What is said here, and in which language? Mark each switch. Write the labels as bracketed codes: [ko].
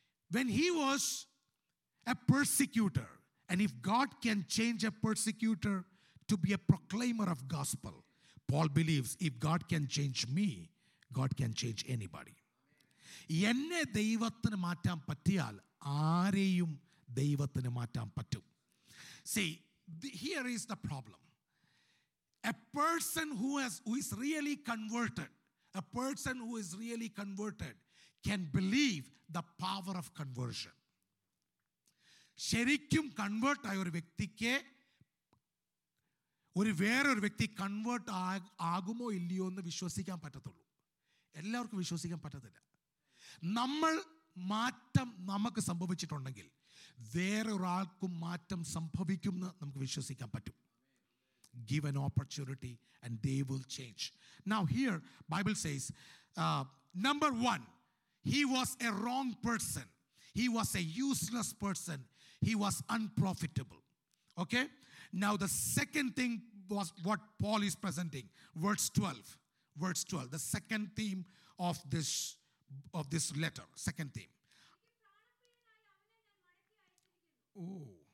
[en] When he was a persecutor, and if God can change a persecutor to be a proclaimer of gospel, Paul believes if God can change me, God can change anybody. [ml] എന്നെ ദൈവത്തിന് മാറ്റാൻ പറ്റിയാൽ ആരെയും ദൈവത്തിന് മാറ്റാൻ പറ്റും. [en] See, here is the problem. A person who is really converted, a person who is really converted can believe the power of conversion. [ml] Sherikkum convert aaya oru vyaktike oru vera oru vyakti convert aagumo illiyo nu vishwasikkan pattathullu. Ellavarkku vishwasikkan pattathilla. Nammal maattam namakku sambhavichittundengil വേറൊരാൾക്കും മാറ്റം സംഭവിക്കുമെന്ന് നമുക്ക് വിശ്വസിക്കാൻ പറ്റും. [en] Give an opportunity and they will change. Now here Bible says number one, he was a wrong person, he was a useless person, he was unprofitable. Okay? Now the second thing was what Paul is presenting. Verse 12. The second theme of this letter. Second theme. Oh.